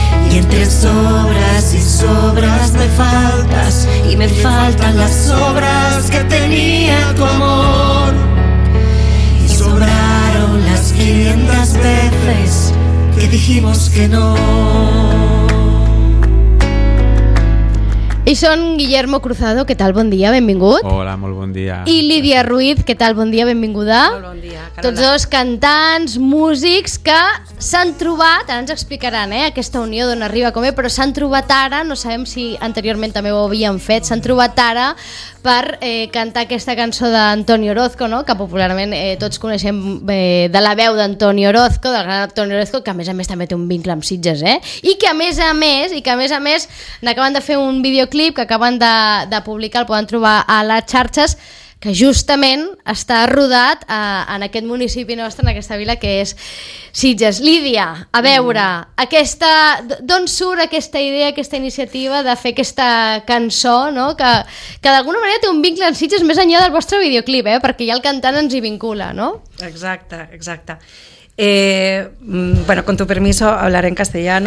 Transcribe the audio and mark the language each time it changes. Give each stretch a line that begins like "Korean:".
Spanish: Y entre sobras y sobras me faltas, y me faltan las sobras que tenía tu amor. Y sobraron las 500 veces que dijimos que no.
Catalan: I són Guillermo Cruzado, què tal, bon dia, benvingut. Hola, molt bon dia. I Lídia Ruiz, què tal, bon dia, benvinguda. Molt bon dia, Carola. Tots dos cantants, músics que s'han trobat, ara ens explicaran, aquesta unió d'on arriba com és, però s'han trobat ara, no sabem si anteriorment també ho havien fet, s'han trobat ara per cantar aquesta cançó d'Antonio Orozco, no? Que popularment tots coneixem de la veu d'Antonio Orozco, del gran Antonio Orozco, que a més també té un vincle amb Sitges, eh? I que a més a més n'acaben de fer un videoclip que acaben de publicar, el poden trobar a les xarxes, que justament està rodat en aquest municipi nostre, en aquesta vila que és Sitges. Lídia, a veure, aquesta, d'on surt aquesta idea, aquesta iniciativa de fer aquesta cançó, no? que d'alguna manera té un vincle amb Sitges més enllà del vostre videoclip, perquè ja el cantant ens hi vincula, no? Exacte.
Spanish: Bueno, con tu permiso, hablaré en castellano.